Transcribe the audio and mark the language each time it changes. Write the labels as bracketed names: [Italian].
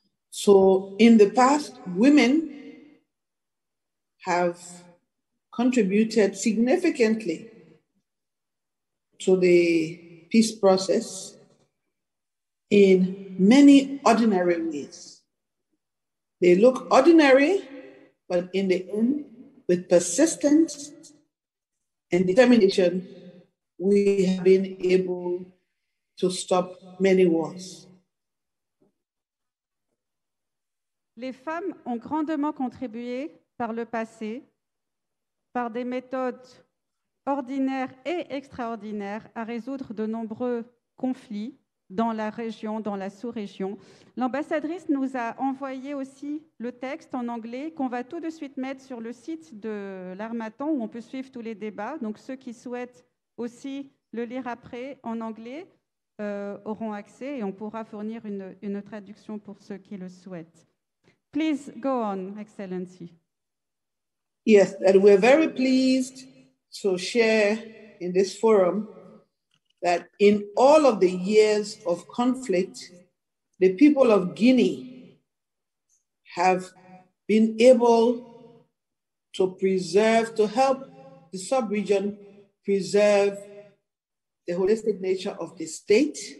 [English] So in the past, women have contributed significantly to the peace process in many ordinary ways. They look ordinary, but in the end, with persistence and determination, we have been able to stop many wars. [French] Les femmes ont grandement contribué par le passé, par des méthodes ordinaire et extraordinaire à résoudre de nombreux conflits dans la région, dans la sous-région. L'ambassadrice nous a envoyé aussi le texte en anglais qu'on va tout de suite mettre sur le site de l'Harmattan où on peut suivre tous les débats. Donc ceux qui souhaitent aussi le lire après en anglais auront accès et on pourra fournir une traduction pour ceux qui le souhaitent. [English] Please go on, Excellency. Yes, and we're very pleased to share in this forum that in all of the years of conflict, the people of Guinea have been able to preserve, to help the sub-region preserve the holistic nature of the state.